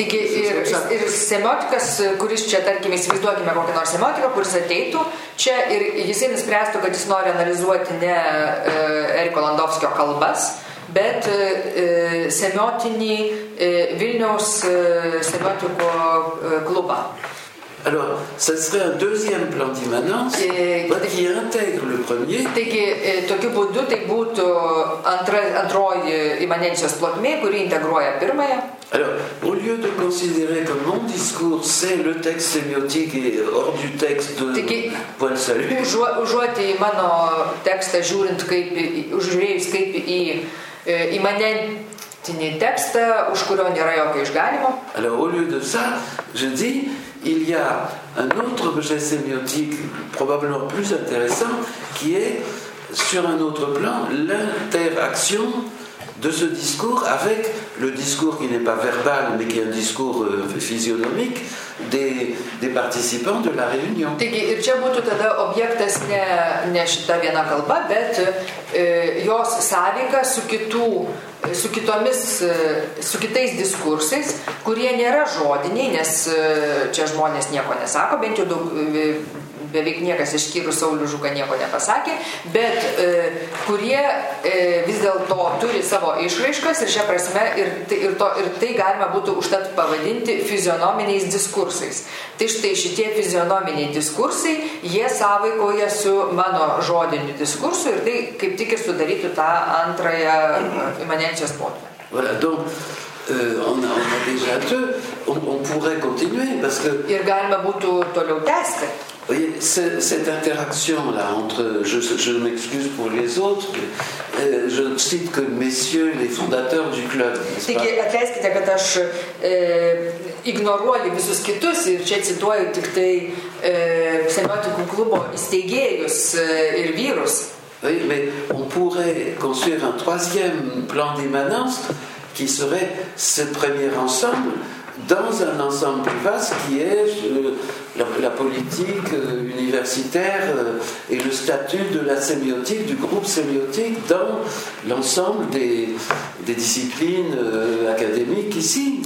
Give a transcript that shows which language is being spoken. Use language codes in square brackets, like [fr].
[lt] Taigi, ir semiotikas, kuris čia, tarkim, įsivaizduokime kokią nors semiotiką, kuris ateitų čia ir jisai nuspręstų, kad jis nori analizuoti ne Eriko Landowskio kalbas, bet semiotinį Vilniaus semiotiko klubą. [fr] Alors, ça serait un deuxième plan d'immanence qui intègre le premier. [lt] Taigi, tokiu būdu tai būtų antroji immanencijos plotmė, kuri integruoja pirmąją. [fr] Alors, au lieu de considérer que mon discours c'est le texte sémiotique et hors du texte de Point de Salut. [lt] Užuot į mano tekstą žiūrint kaip į imanentinį tekstą, už kurio nėra jokio išganimo. [fr] Alors, au lieu de ça, je dis il y a un autre objet sémiotique probablement plus intéressant qui est sur un autre plan l'interaction de ce discours avec le discours qui n'est pas verbal mais qui est un discours physionomique des participants de la réunion. [lt] Taigi, ir čia būtų tada objektas ne šita viena kalba, bet jos sąveika su kitais diskursais, kurie nėra žodiniai, nes čia žmonės nieko nesako, bent jau beveik niekas išskyrus Saulių Žuką nieko nepasakė, bet kurie vis dėlto turi savo išraiškas ir šią prasme ir tai galima būtų užtat pavadinti fizionominiais diskursais. Tai štai šitie fizionominiai diskursai, jie sąvaikoja su mano žodiniu diskursu ir tai kaip tik ir sudarytų tą antrąją imanencijos plotmę. [fr] Voilà, donc, on a déjà deux, on pourrait continuer, parce que... [lt] Ir galima būtų toliau tęsti. [fr] Vous voyez, cette interaction-là entre, je m'excuse pour les autres, je cite que messieurs les fondateurs du club, n'est-ce pas? [lt] Atleiskite, kad aš ignoruoju visus kitus ir čia cituoju tik tai semiotikų klubo įsteigėjus ir vyrus. [fr] Oui, mais on pourrait construire un troisième plan d'immanence qui serait ce premier ensemble dans un ensemble plus vaste qui est la politique universitaire et le statut de la sémiotique, du groupe sémiotique dans l'ensemble des disciplines académiques ici.